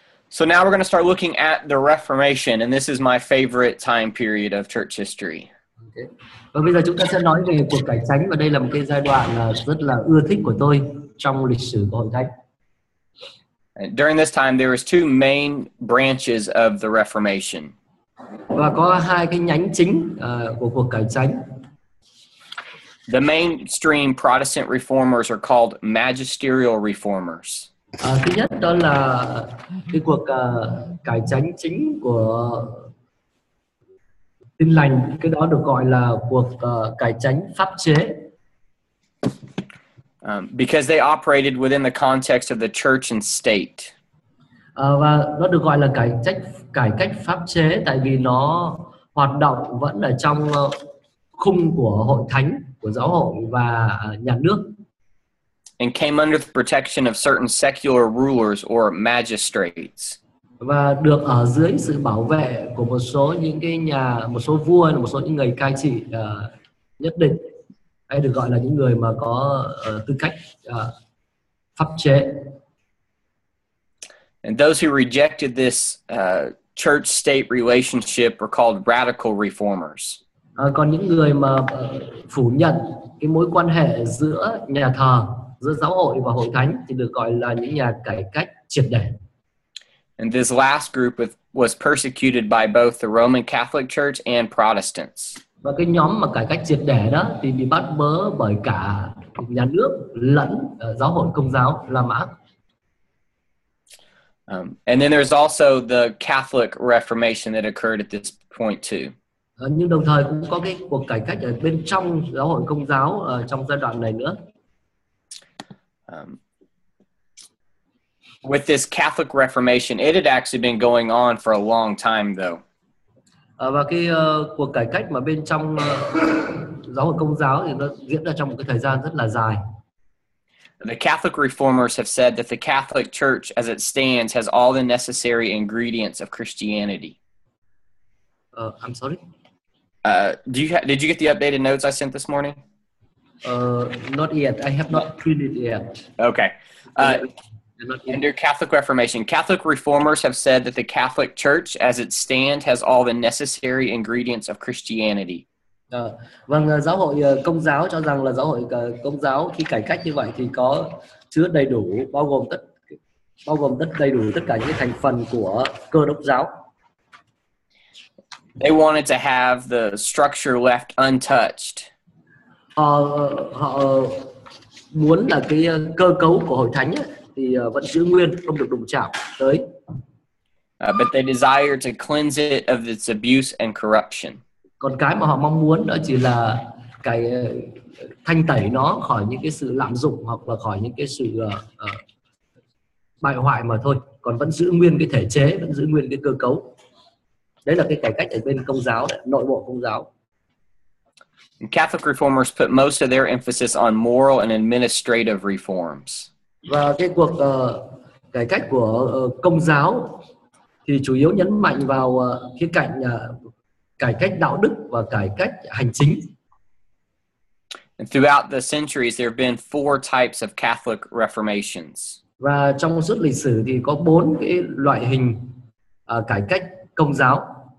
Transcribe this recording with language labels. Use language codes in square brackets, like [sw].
[en] So now we're going to start looking at the Reformation, and this is my favorite time period of church history. Okay. [vi] Và bây giờ chúng ta sẽ nói về cuộc cải chánh, và đây là một cái giai đoạn rất là ưa thích của tôi trong lịch sử của Hội Thánh. [en] And during this time, there was two main branches of the Reformation. [vi] Và có hai cái nhánh chính của cuộc cải chánh. [en] The mainstream Protestant reformers are called magisterial reformers. [vi] Thứ nhất đó là cái cuộc cải chánh chính của Tin Lành, cái đó được gọi là cuộc cải chánh pháp chế. [en] Because they operated within the context of the church and state. [vi] Và nó được gọi là cải cách pháp chế tại vì nó hoạt động vẫn ở trong khung của hội thánh, của giáo hội và nhà nước. [en] And came under the protection of certain secular rulers or magistrates. [vi] Và được ở dưới sự bảo vệ của một số những cái nhà, một số vua, một số những người cai trị nhất định, hay được gọi là những người mà có tư cách pháp chế. [en] And those who rejected this church-state relationship were called radical reformers. [vi] Còn những người mà phủ nhận cái mối quan hệ giữa nhà thờ, giữa giáo hội và hội thánh thì được gọi là những nhà cải cách triệt để. [en] And this last group was persecuted by both the Roman Catholic Church and Protestants. [vi] Và cái nhóm mà cải cách triệt để đó thì bị bắt bớ bởi cả nhà nước lẫn giáo hội Công giáo La Mã. [en] And then there's also the Catholic Reformation that occurred at this point too. [vi] Nhưng đồng thời cũng có cái cuộc cải cách ở bên trong giáo hội Công giáo trong giai đoạn này nữa. [en] With this Catholic Reformation, it had actually been going on for a long time though. [vi] Và cái cuộc cải cách mà bên trong giáo hội Công giáo thì nó diễn ra trong một cái thời gian rất là dài. [en] The Catholic reformers have said that the Catholic Church as it stands has all the necessary ingredients of Christianity. I'm sorry. Did you get the updated notes I sent this morning? Not yet. I have not printed yet. Okay. Under Catholic Reformation, Catholic reformers have said that the Catholic Church as it stands has all the necessary ingredients of Christianity. [vi] Vâng, giáo hội Công giáo cho rằng là giáo hội Công giáo khi cải cách như vậy thì có chứa đầy đủ, bao gồm đầy đủ tất cả những cái thành phần của Cơ Đốc giáo. [en] They wanted to have the structure left untouched. [vi] Họ muốn là cái cơ cấu của hội thánh ấy, thì vẫn giữ nguyên, không được đụng chạm tới. [en] But they desire to cleanse it of its abuse and corruption. [vi] Còn cái mà họ mong muốn đó chỉ là cái thanh tẩy nó khỏi những cái sự lạm dụng hoặc là khỏi những cái sự bại hoại mà thôi. Còn vẫn giữ nguyên cái thể chế, vẫn giữ nguyên cái cơ cấu. Đấy là cái cải cách ở bên Công giáo, nội bộ Công giáo. [en] Catholic reformers put most of their emphasis on moral and administrative reforms. [vi] Và cái cuộc cải cách của Công giáo thì chủ yếu nhấn mạnh vào khía cạnh cải cách đạo đức và cải cách hành chính. [en] And throughout the centuries, there have been four types of Catholic reformations. [vi] Và trong suốt lịch sử thì có bốn cái loại hình cải cách Công giáo.